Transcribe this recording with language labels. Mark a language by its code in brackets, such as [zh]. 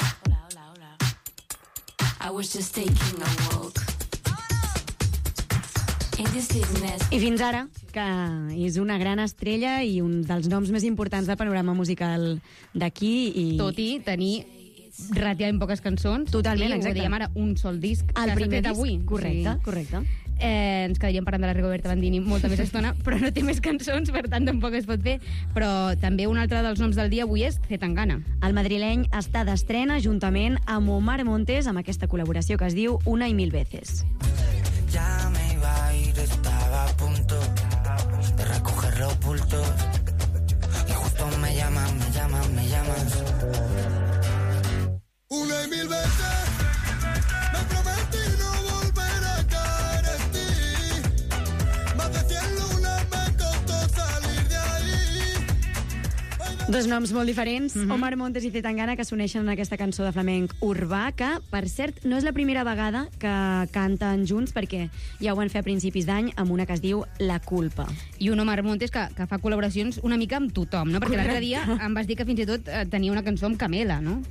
[en] Hola, hola, hola. I was just taking a walk. [ca] I fins ara, que és una gran estrella i un dels noms més importants del panorama musical d'aquí. I... Tot i tenir... relativament poques cançons. Totalment, exacte. I ho dèiem ara, un sol disc. El primer disc, avui. Correcte, sí. Correcte. Ens quedaríem parlant de la Rigoberta Bandini molta més estona, però no té més cançons, per tant, tampoc es pot fer. Però també un altre dels noms del dia avui és Zetangana. El madrileny està d'estrena juntament amb Omar Montes amb aquesta col·laboració que es diu Una y Mil Veces. [es] Ya me iba a ir, estaba a punto de recoger los bultos y justo me llaman, me llaman, me llaman. Una y mil veces me prometí no volver a caer en ti. Más de 100 lunas me costó salir de ahí. [ca] Dos noms molt diferents, Omar Montes i Zetangana, que s'uneixen en aquesta cançó de flamenc urbà, que, per cert, no és la primera vegada que canten junts, perquè ja ho van fer a principis d'any amb una que es diu La Culpa. I un Omar Montes que fa col·laboracions una mica amb tothom, no? Perquè l'altre dia em vas dir que fins i tot tenia una cançó amb Camela, no?